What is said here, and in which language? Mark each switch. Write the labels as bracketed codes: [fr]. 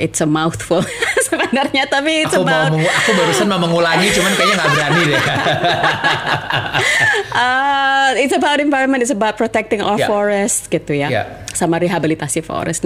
[en] It's a mouthful [id] sebenarnya, tapi [en] it's about [id] aku barusan mau mengulangi cuman kayaknya nggak berani deh. [en] It's about environment, it's about protecting our forests [id] gitu ya, sama rehabilitasi [en] forest.